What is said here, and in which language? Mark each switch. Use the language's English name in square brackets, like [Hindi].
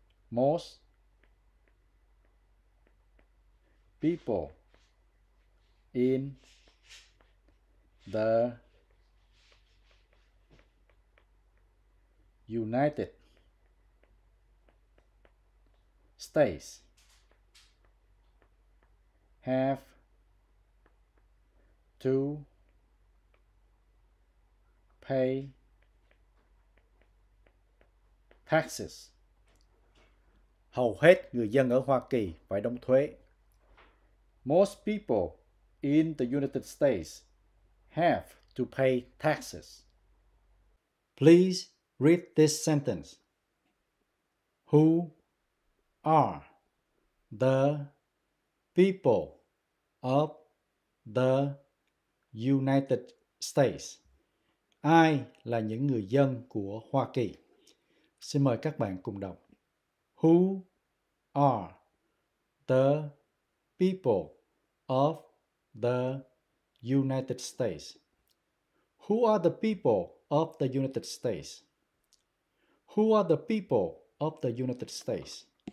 [English] Most people in the United States have to pay taxes. [Vietnamese] Hầu hết người dân ở Hoa Kỳ phải đóng thuế. [English] Most people in the United States have to pay taxes. Please read this sentence. Who are the people of the United States? [Vietnamese] Ai là những người dân của Hoa Kỳ? Xin mời các bạn cùng đọc. [English] Who are the people of the United States? Who are the people of the United States? Who are the people of the United States?